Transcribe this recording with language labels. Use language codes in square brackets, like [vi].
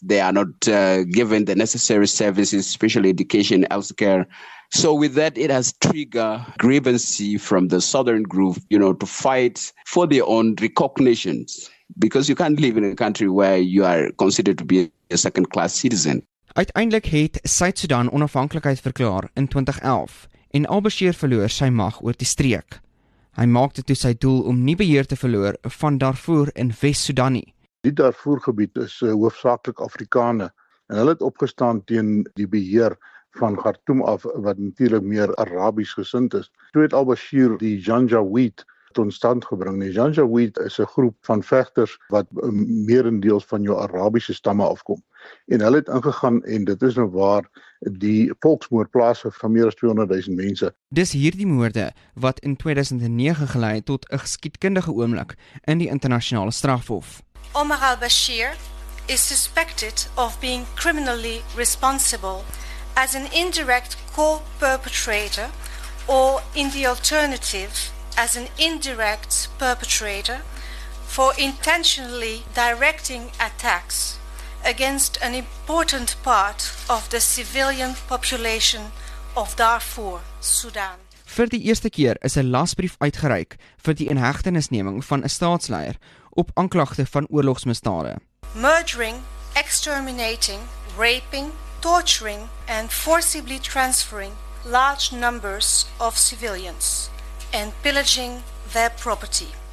[en] They are not given the necessary services, especially education, healthcare. So with that, it has triggered grievance from the southern group, you know, to fight for their own recognition. Because you can't live in a country where you are considered to be a second class citizen. [af] Uiteindelik het Suid-Sudan onafhanklikheid verklaar in 2011 en al-Bashir verloor sy mag oor die streek. Hy maak dit toe sy doel om nie beheer te verloor van Darfur in Wes-Sudan nie. Die Darfur-gebied is hoofsaaklik Afrikane en hulle het opgestaan teen die beheer van Khartoum af, wat natuurlik meer Arabies gesind is. Toe het al-Bashir die Janjaweed tot stand gebring. Die Janjaweed is 'n groep van vegters wat merendeels van jou Arabiese stamme afkom. En hulle het ingegaan en dit is nou waar die volksmoord plaasgevind van meer as 200.000 mense. Dis hierdie moorde wat in 2009 gelei het tot 'n geskiedkundige oomblik in die internasionale strafhof. [en] Omar al-Bashir is suspected of being criminally responsible as an indirect co-perpetrator or in the alternative as an indirect perpetrator for intentionally directing attacks against an important part of the civilian population of Darfur, Sudan. [af] Vir die eerste keer is 'n lasbrief uitgereik vir die inhegtenisneming van 'n staatsleier op aanklagte van oorlogsmisdade. [en] Murdering, exterminating, raping, torturing and forcibly transferring large numbers of civilians and pillaging their property.